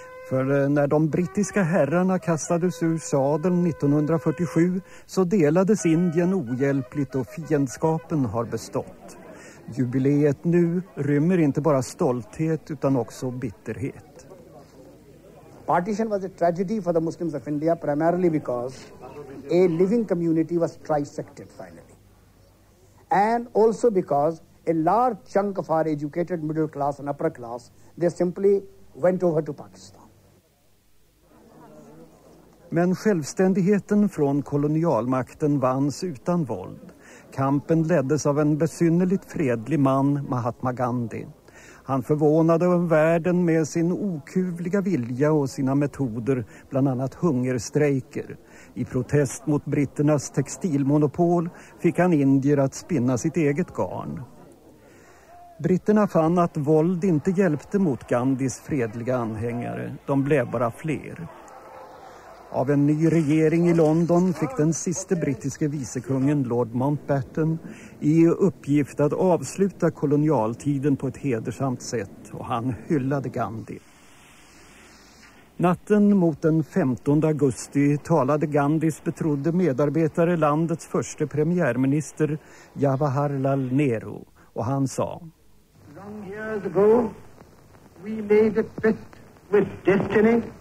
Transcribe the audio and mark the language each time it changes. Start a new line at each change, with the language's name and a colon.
Swedish: För när de brittiska herrarna kastades ur sadeln 1947 så delades Indien ohjälpligt och fiendskapen har bestått. Jubileet nu rymmer inte bara stolthet utan också bitterhet.
English: Partition was a tragedy for the Muslims of India primarily because a living community was trisected finally. And also because a large chunk of our educated middle class and upper class, they simply went over to Pakistan.
Swedish: Men självständigheten från kolonialmakten vanns utan våld. Kampen leddes av en besynnerligt fredlig man, Mahatma Gandhi. Han förvånade världen med sin okuvliga vilja och sina metoder, bland annat hungerstrejker. I protest mot britternas textilmonopol fick han indier att spinna sitt eget garn. Britterna fann att våld inte hjälpte mot Gandhis fredliga anhängare. De blev bara fler. Av en ny regering i London fick den sista brittiske vicekungen Lord Mountbatten i uppgift att avsluta kolonialtiden på ett hedersamt sätt, och han hyllade Gandhi. Natten mot den 15 augusti talade Gandhis betrodde medarbetare landets första premiärminister Jawaharlal Nehru, och han sa:
English: Long years ago we made it best with destiny.